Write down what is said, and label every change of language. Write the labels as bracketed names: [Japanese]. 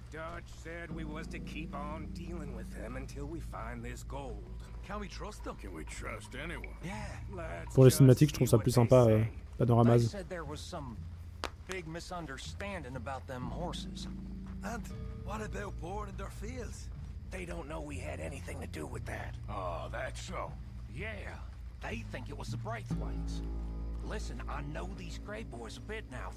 [English] Dutch said we was to keep on dealing with them until we find this gold. Can we trust them? Can we trust anyone? Yeah. [French] Pour les cinématiques, je trouve ça plus sympa, panoramas. [English] They said there was some big misunderstanding about them horses. And what about boarding their fields? They don't know we had anything to do with that. Oh, that's so. Yeah. They think it was the Braithwaites. Listen, I know these Grey boys a bit now.